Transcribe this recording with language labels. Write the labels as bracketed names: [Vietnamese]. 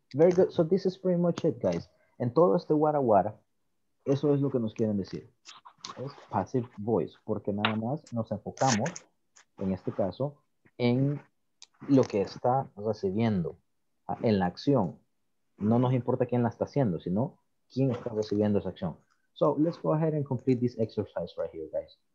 [English] Very good. So this is pretty much it, guys. [Spanish] En todo este guaraguara, eso es lo que nos quieren decir. Es passive voice, porque nada más nos enfocamos, en este caso, en lo que está recibiendo, en la acción. No nos importa quién la está haciendo, sino quién está recibiendo esa acción. [English] So let's go ahead and complete this exercise right here, guys.